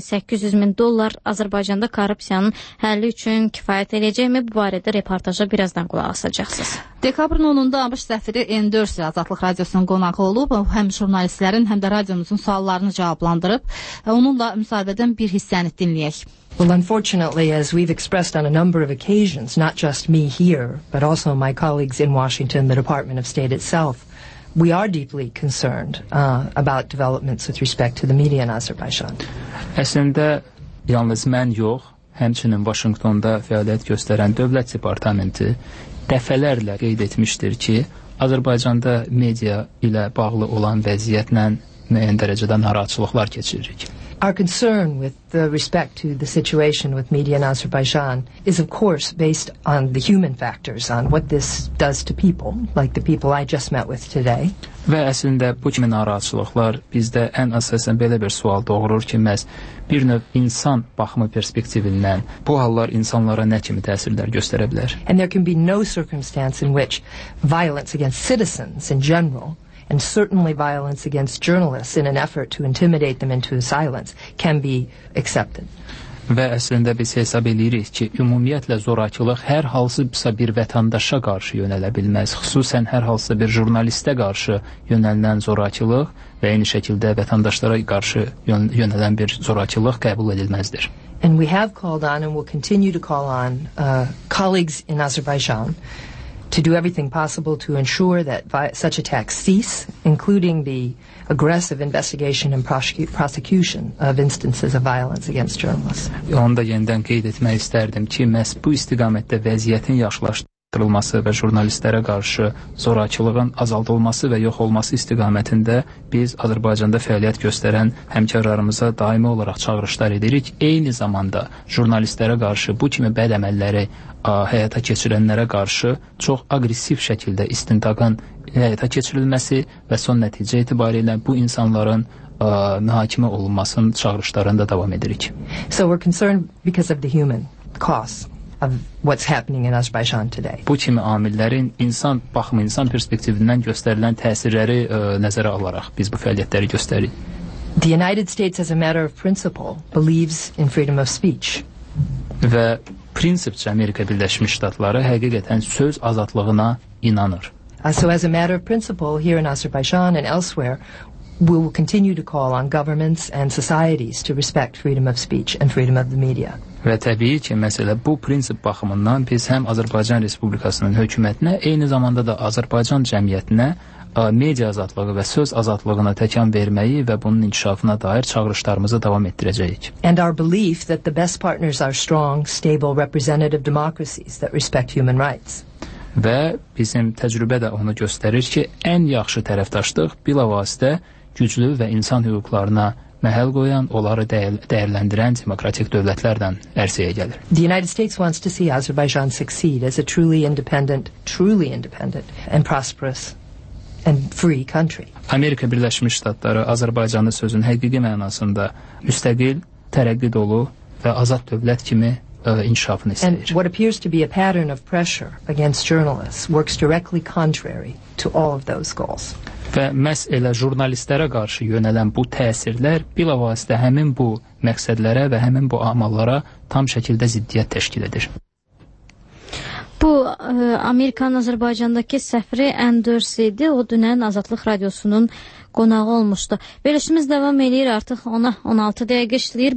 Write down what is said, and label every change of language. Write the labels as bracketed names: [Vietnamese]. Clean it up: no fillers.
[Azerbaijani] 800 min dollar Azərbaycanda korrupsiyanın həlli üçün kifayət edəcəkmi? Bu barədə reportaja birazdan qulaq asacaqsınız. Dekabrın 10-da ABŞ səfiri N4 Azadlıq Radiosunun qonağı olub, həm jurnalistlərin, həm də radiomuzun suallarını cavablandırıb və onunla müsahibədən bir hissəni dinləyək. [English] Well, unfortunately, as we've expressed on a number of occasions, not just me here, but also my colleagues in Washington, the Department of State itself, we are deeply concerned about developments with respect to the media in Azerbaijan. [Azerbaijani] Əslində, yalnız mən yox, həmçinin Vaşinqtonda fəaliyyət göstərən Dövlət Departamenti dəfələrlə qeyd etmişdir ki, Azərbaycanda media ilə bağlı olan vəziyyətlə müəyyən dərəcədə narahatçılıqlar keçiririk. [English] Our concern with the respect to the situation with media in Azerbaijan is, of course, based on the human factors, on what this does to people, like the people I just met with today. [Azerbaijani] Və əslində bu kimi narahatçılıqlar bizdə ən əsasən belə bir sual doğurur ki, məhz bir növ insan baxımı perspektivindən bu hallar insanlara nə kimi təsirlər göstərə bilər? [English] And there can be no circumstance in which violence against citizens in general and certainly violence against journalists in an effort to intimidate them into silence can be accepted. [Azerbaijani] Və əslində biz hesab edirik ki, ümumiyyətlə zorakılıq hər hansısa bir vətəndaşa qarşı yönələ bilməz, xüsusən hər hansısa bir jurnalistə qarşı yönələn zorakılıq və eyni şəkildə vətəndaşlara qarşı yönələn bir zorakılıq qəbul edilməzdir. [English] And we have called on and will continue to call on colleagues in Azerbaijan to do everything possible to ensure that such attacks cease, including the aggressive investigation and prosecution of instances of violence against journalists. [Azerbaijani] Onu da yenidən qeyd etmək istərdim ki, məhz bu istiqamətdə vəziyyətin yaxşılaşdırılması və jurnalistlərə qarşı zorakılığın azaldılması və yox olması istiqamətində biz Azərbaycanda fəaliyyət göstərən həmkarlarımıza daimi olaraq çağırışlar edirik. Eyni zamanda jurnalistlərə qarşı bu kimi bəd əməlləri həyata keçirənlərə qarşı çox aqressiv şəkildə istintaqın həyata keçirilməsi və son nəticə itibarilə bu insanların mühakimə olunmasının çağırışlarında davam edirik. [English] So we're concerned because of the human cost of what's happening in Azerbaijan today. [Azerbaijani] Bu kimi amillərin insan baxımı, insan perspektivindən göstərilən təsirləri nəzərə alaraq biz bu fəaliyyətləri göstəririk. [English] The United States as a matter of principle believes in freedom of speech. [Azerbaijani] Və prinsipcə Amerika Birləşmiş Ştatları həqiqətən söz azadlığına inanır. [English] So as a matter of principle here in Azerbaijan and elsewhere, we will continue to call on governments and societies to respect freedom of speech and freedom of the media. [Azerbaijani] Və təbii ki, məsələ bu prinsip baxımından biz həm Azərbaycan Respublikasının hökumətinə, eyni zamanda da Azərbaycan cəmiyyətinə media azadlığı və söz azadlığına təkan verməyi və bunun inkişafına dair çağırışlarımızı davam etdirəcəyik. [English] And our belief that the best partners are strong, stable, representative democracies that respect human rights. [Azerbaijani] Və bizim təcrübə də onu göstərir ki, ən yaxşı tərəfdaşlıq bilavasitə güclü və insan hüquqlarına məhəl qoyan, onları dəyərləndirən demokratik dövlətlərdən ərsəyə gəlir. [English] The United States wants to see Azerbaijan succeed as a truly independent and prosperous and free country. [Azerbaijani] Amerika Birləşmiş Ştatları Azərbaycanı sözün həqiqi mənasında müstəqil, tərəqqi dolu və azad dövlət kimi inkişafını istəyir. [English] And what appears to be a pattern of pressure against journalists works directly contrary to all of those goals. [Azerbaijani] Və məhz elə jurnalistlərə qarşı yönələn bu təsirlər bilavasitə həmin bu məqsədlərə və həmin bu amallara tam şəkildə ziddiyyət təşkil edir. Bu, Amerikanın Azərbaycandakı səfiri Andrews idi. O, dünən Azadlıq Radiosunun qonağı olmuşdu. Verilişimiz davam edir, artıq ona 16 dəqiqə işləyir.